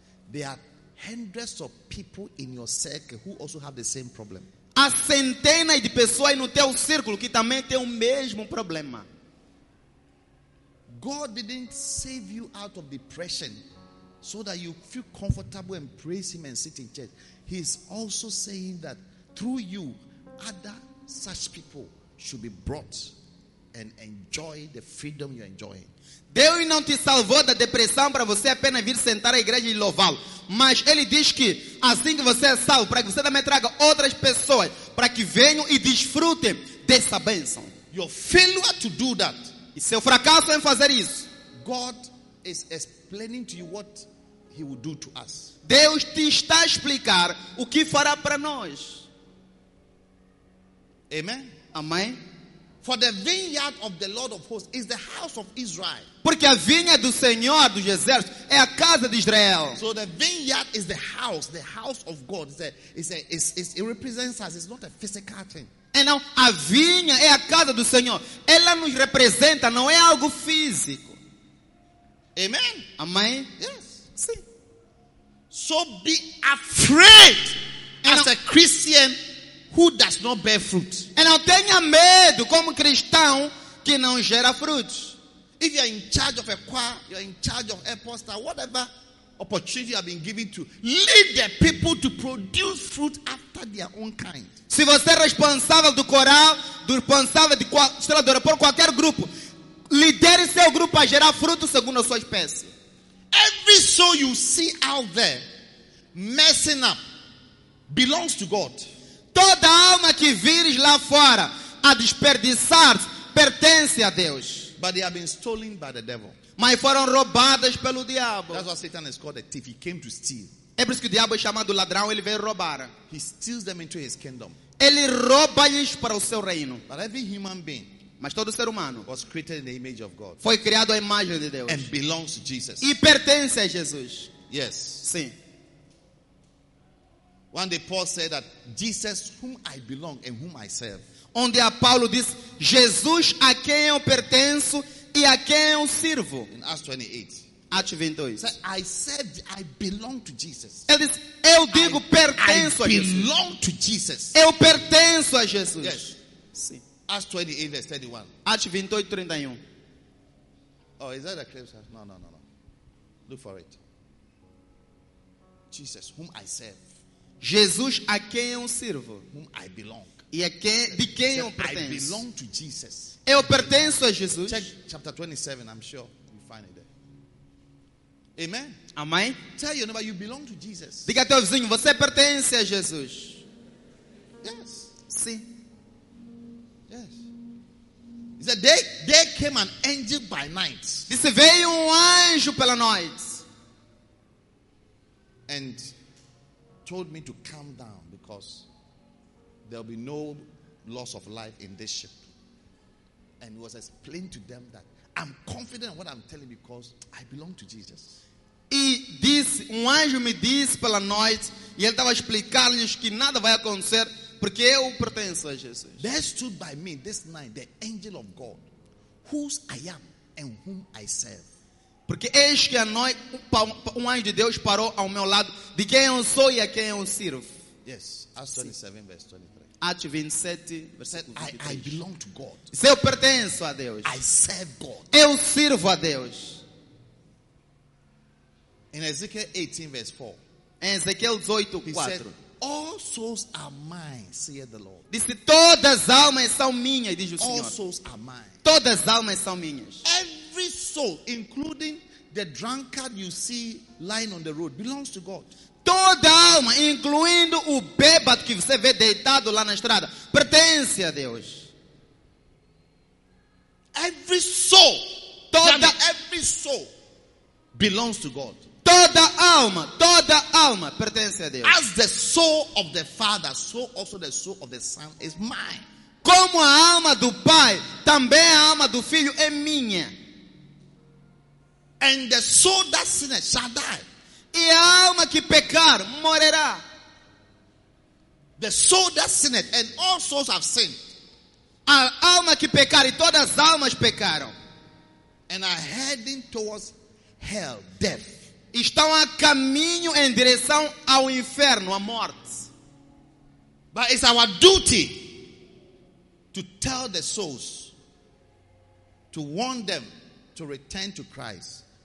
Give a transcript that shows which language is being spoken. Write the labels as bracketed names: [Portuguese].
[English] There are hundreds of people in your circle who also have the same problem. [Portuguese] Há centenas de pessoas no teu círculo que também têm o mesmo problema. [English] God didn't save you out of depression so that you feel comfortable and praise him and sit in church. He is also saying that through you, other such people should be brought and enjoy the freedom you're enjoying. [Portuguese] Deus não te salvou da depressão para você apenas vir sentar à igreja e louvá-lo. Mas ele diz que assim que você é salvo, para que você também traga outras pessoas, para que venham e desfrutem dessa bênção. [English] Your failure to do that. [Portuguese] E seu fracasso em fazer isso. [English] God is explaining to you what he will do to us. [Portuguese] Deus te está a explicar o que fará para nós. [English] Amen. [Portuguese] Amém. [English] For the vineyard of the Lord of hosts is the house of Israel. [Portuguese] Porque a vinha do Senhor dos exércitos é a casa de Israel. [English] So the vineyard is the house of God. It represents us. It's not a physical thing. [Portuguese] É não, a vinha é a casa do Senhor. Ela nos representa, não é algo físico. [English] Amen. [Portuguese] Amém. [English] Yes. [Portuguese] Sim. [English] So be afraid as a Christian who does not bear fruit. [Portuguese] E não tenha medo como cristão que não gera frutos. [English] If you are in charge of a choir, you are in charge of a pastor, whatever opportunity you have been given to, lead the people to produce fruit after their own kind. [Portuguese] Se você é responsável do coral, do responsável de qualquer, por qualquer grupo, lidere seu grupo a gerar frutos segundo a sua espécie. [English] Every soul you see out there messing up belongs to God. [Portuguese] Toda alma que vires lá fora a desperdiçar pertence a Deus. [English] But they have been stolen by the devil. [Portuguese] Mas foram roubadas pelo diabo. [English] That's why Satan is called a thief. He came to steal. [Portuguese] É por isso que o diabo é chamado ladrão. Ele veio roubar. [English] He steals them into his kingdom. [Portuguese] Ele rouba-lhes para o seu reino. [English] But every human being, [Portuguese] mas todo ser humano, [English] was created in the image of God. [Portuguese] Foi criado à imagem de Deus. [English] And belongs to Jesus. [Portuguese] E pertence a Jesus. [English] Yes. [Portuguese] Sim. [English] One day Paul said that Jesus, whom I belong and whom I serve. [Portuguese] Onde a Paulo diz, Jesus a quem eu pertenço e a quem eu sirvo. [English] In Acts 28. Acts 28. So I said I belong to Jesus. [Portuguese] Ele diz, eu digo pertenço [English] I [Portuguese] a Jesus. [English] I belong to Jesus. [Portuguese] Eu pertenço a Jesus. [English] Yes. [Portuguese] Sim. [English] Acts 28 verse 31. Acts 28 31. Oh, is that a clue? No. Look for it. Jesus, whom I serve. [Portuguese] Jesus a quem eu sirvo. [English] Whom I belong. [Portuguese] E a quem, de quem eu pertenço. [English] I belong to Jesus. [Portuguese] Eu pertenço a Jesus. [English] Check chapter 27, I'm sure you find it there. Amen. [Portuguese] Amém. [English] Tell your neighbor, you belong to Jesus. [Portuguese] Diga ao teu vizinho, você pertence a Jesus. [English] Yes. [Portuguese] Sim. [English] Yes. He said, there came an angel by night. [Portuguese] Disse, veio anjo pela noite. [English] And told me to calm down because there'll be no loss of life in this ship. And he was explained to them that I'm confident in what I'm telling because I belong to Jesus. [Portuguese] E disse, anjo me disse pela noite, e ele estava explicando-lhes que nada vai acontecer porque eu pertenço a Jesus. [English] There stood by me this night the angel of God, whose I am and whom I serve. [Portuguese] Porque eis que a noite anjo de Deus parou ao meu lado, de quem eu sou e a quem eu sirvo. [English] Yes, Acts 27 verse 23. Acts 27 verse 23. I belong to God. [Portuguese] Se eu pertenço a Deus. [English] I serve God. [Portuguese] Eu sirvo a Deus. [English] In Ezekiel 18 verse 4. [Portuguese] Em Ezequiel 18, 4. [English] All souls are mine, saith the Lord. [Portuguese] Disse, todas as almas são minhas, diz o Senhor. [English] All souls are mine. [Portuguese] Todas as almas são minhas. [English] Every soul, including the drunkard you see lying on the road, belongs to God. [Portuguese] Toda alma, incluindo o bêbado que você vê deitado lá na estrada, pertence a Deus. [English] Every soul, [Portuguese] toda [English] every soul belongs to God. [Portuguese] Toda alma pertence a Deus. [English] As the soul of the Father, so also the soul of the Son is mine. [Portuguese] Como a alma do Pai, também a alma do Filho é minha. [English] And the soul that sinner shall die. [Portuguese] E a alma que pecar morrerá. [English] The soul that sinned and all souls have sinned. [Portuguese] A alma que pecar e todas as almas pecaram. [English] And are heading towards hell, death. [Portuguese] Estão a caminho em direção ao inferno, à morte. [English] But it's our duty to tell the souls, to warn them to return to Christ.